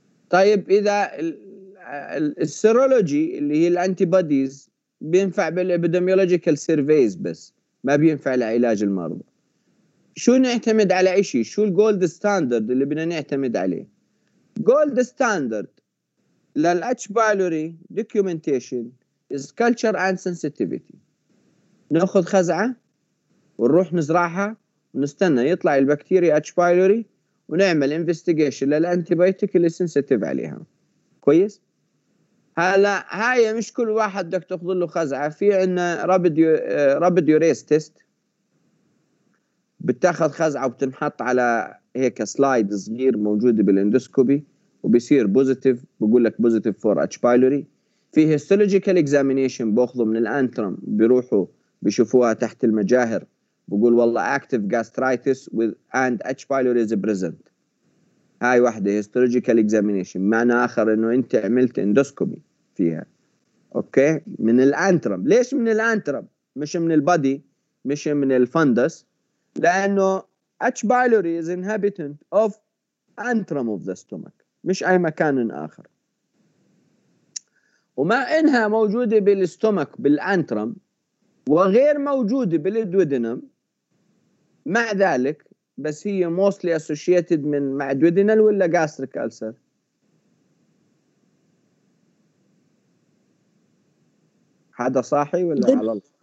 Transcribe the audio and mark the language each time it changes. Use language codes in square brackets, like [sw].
[ar] طيب إذا ال serology اللي هي antibodies بينفع بالepidemiological surveys بس ما بينفع لعلاج المرضى، شو نعتمد على إشي؟ شو gold standard اللي بدنا نعتمد عليه؟ gold standard لل H. [en] pylori documentation is culture and sensitivity. [ar] ناخذ خزعة ونروح نزرعها ونستنى يطلع البكتيريا H. pylori ونعمل investigation لل antibiotic اللي sensitive عليها. كويس. هلا هاي مش كل واحد بدك تاخذ له خزعة، في عندنا rapid urease test، بتاخذ خزعة وبتنحط على هيك سلايد صغير موجود بالاندوسكوبي وبيصير بوزيتيف، بقول لك بوزيتيف فور اتش بايلوري. في هيستولوجيكال اكزامينيشن باخذه من الانترم بيروحوا بيشوفوها تحت المجاهر، بقول والله [en] Active gastritis with and H pylori is present. [ar] هاي واحده هيستولوجيكال اكزامينيشن، معنى اخر انه انت عملت اندوسكوبي فيها. اوكي من الانترم. ليش من الانترم مش من البادي مش من الفندس؟ لانه H. [en] pylori is inhabitant of antrum of the stomach، [ar] مش أي مكان آخر. وما إنها موجودة بالستومك بالأنترم وغير موجودة بالدودينم، مع ذلك بس هي mostly associated من مع دودينال ولا gastric ulcer؟ هذا صاحي ولا على